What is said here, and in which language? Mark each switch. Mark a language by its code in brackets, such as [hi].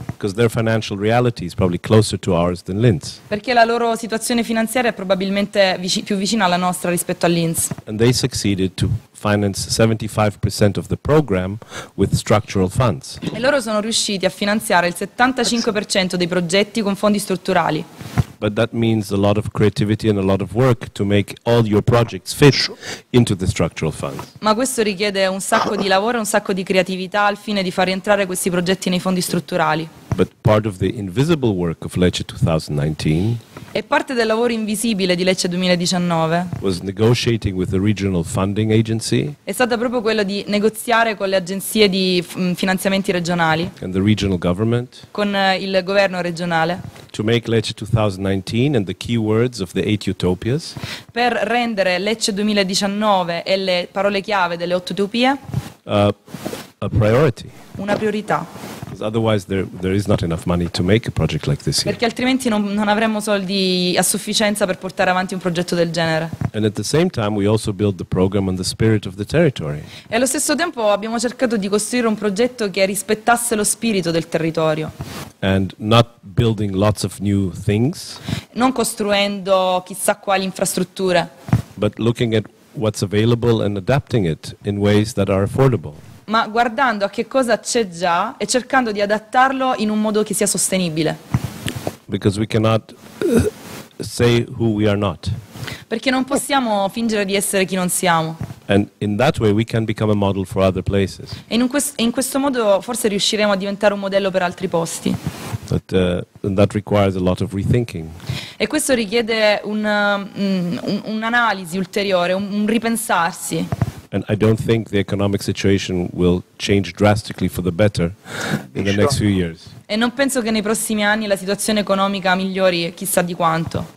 [en] Because their financial reality is probably closer to ours than Linz. [it] Perché la loro situazione finanziaria è probabilmente più vicina alla nostra rispetto a Linz. [en] And they succeeded to finance 75% of the program with structural funds. [it] E loro sono riusciti a finanziare il 75% dei progetti con fondi strutturali. [en] But that means a lot of creativity and a lot of work to make all your projects fit into the structural funds. [it] Ma questo richiede un sacco di lavoro e un sacco di creatività al fine di far rientrare questi progetti nei fondi strutturali. [en] But part of the invisible work of Lecce 2019, [it] e parte del lavoro invisibile di Lecce 2019, [en] was negotiating with the regional funding agency, [it] è stata proprio quello di negoziare con le agenzie di finanziamenti regionali, [en] and the regional government, [it] con il governo regionale, [en] to make Lecce 2019 and the keywords of the 8 utopias, [it] per rendere Lecce 2019 e le parole chiave delle 8 utopie [en] a priority, [it] una priorità. [en] Otherwise there is not enough money to make a project like this here. [it] Perché altrimenti non avremmo soldi a sufficienza per portare avanti un progetto del genere. [en] And at the same time we also build the program on the spirit of the territory. [it] E allo stesso tempo abbiamo cercato di costruire un progetto che rispettasse lo spirito del territorio. [en] And not building lots of new things. [it] Non costruendo chissà quali infrastrutture. [en] But looking at what's available and adapting it in ways that are affordable. [it] Ma guardando a che cosa c'è già e cercando di adattarlo in un modo che sia sostenibile. [en] Because we cannot say who we are not. [it] Perché non possiamo fingere di essere chi non siamo. [en] And in that way we can become a model for other places. [it] E in questo modo forse riusciremo a diventare un modello per altri posti. [en] But and that requires a lot of rethinking. [it] E questo richiede un'analisi ulteriore, un ripensarsi. [en] And I don't think the economic situation will change drastically for the better in the next few years. [it] E non penso che nei prossimi anni la situazione economica migliori chissà di quanto.